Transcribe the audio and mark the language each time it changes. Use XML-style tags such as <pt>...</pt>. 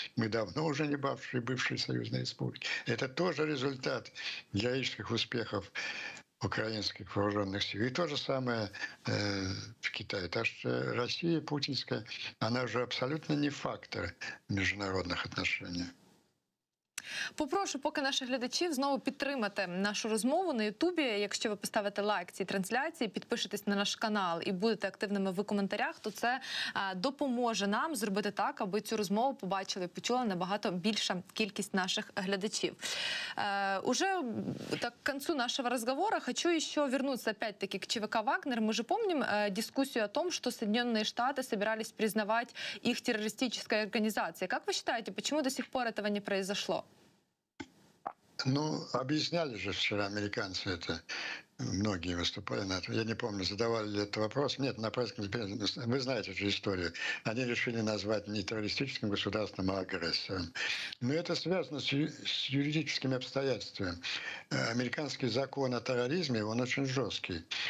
<ru>Мы давно уже не бывшие союзные республики. Это тоже результат героических успехов украинских вооруженных сил. И то же самое в Китае. Так что Россия путинская, она же абсолютно не фактор международных отношений.</ru> <uk>Попрошу поки наших глядачів знову підтримати нашу розмову на Ютубі. Якщо ви поставите лайк цій трансляції, підпишетесь на наш канал і будете активними в коментарях, то це допоможе нам зробити так, аби цю розмову побачили і почули набагато більша кількість наших глядачів. Уже так к концу нашого розговору хочу ще вернутися опять-таки к ЧВК «Вагнер». Ми вже пам'ятаємо дискусію</uk> <ru>о том,</ru> <uk>що Соєднані Штати збирались признавати їх терористичною організацією. Як ви вважаєте, чому до сих пор цього не відбувалося?</uk> <ru>Ну, объясняли же вчера американцы это. Многие выступали на это. Я не помню, задавали ли этот вопрос. Нет, на пресс-конференции. Вы знаете эту историю. Они решили назвать не террористическим государством, а агрессором. Но это связано с юридическими обстоятельствами. Американский закон о терроризме, он очень жесткий.</ru>